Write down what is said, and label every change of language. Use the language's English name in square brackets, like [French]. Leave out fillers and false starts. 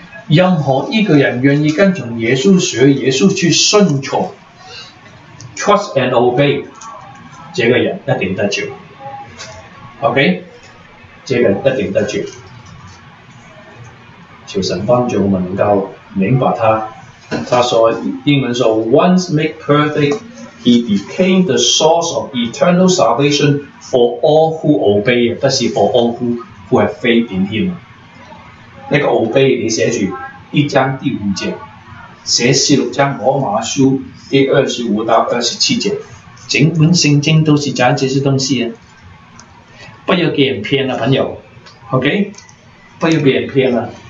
[Chinese] 任何一个人愿意跟从耶稣，学耶稣去顺从 [English] trust and obey， [Chinese] 这个人一定得救。 OK， 这个人一定得救。求神帮助我们能够明白他。他说英文说 [English] Once made perfect, he became the source of eternal salvation for all who obey, [Chinese] 不是 [English] for all who have faith in him。 [Chinese] 那个 obey 你写住一章第五节，写16罗马书第25-27，整本圣经都是讲这些东西啊，不要给人骗了，朋友 ，OK， 不要被人骗了。